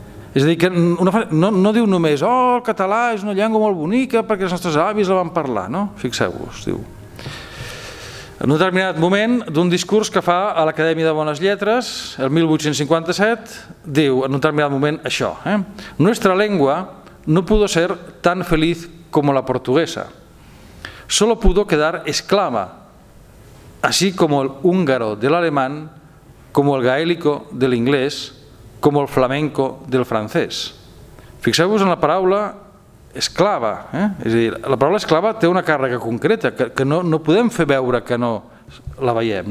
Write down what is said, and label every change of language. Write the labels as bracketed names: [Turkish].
[Catalan] És a dir, que no diu només, el català és una llengua molt bonica perquè els nostres avis la van parlar, no? Fixeu-vos, diu. En un determinat moment d'un discurs que fa a l'Acadèmia de Bones Lletres, el 1857, diu en un determinat moment això. [Spanish] Nuestra lengua no pudo ser tan feliz como la portuguesa. Solo pudo quedar esclava, así como el húngaro del alemán, como el gaélico del inglés, [Catalan] com el flamenco del francès. Fixeu-vos en la paraula esclava. És a dir, la paraula esclava té una càrrega concreta que no podem fer veure que no la veiem.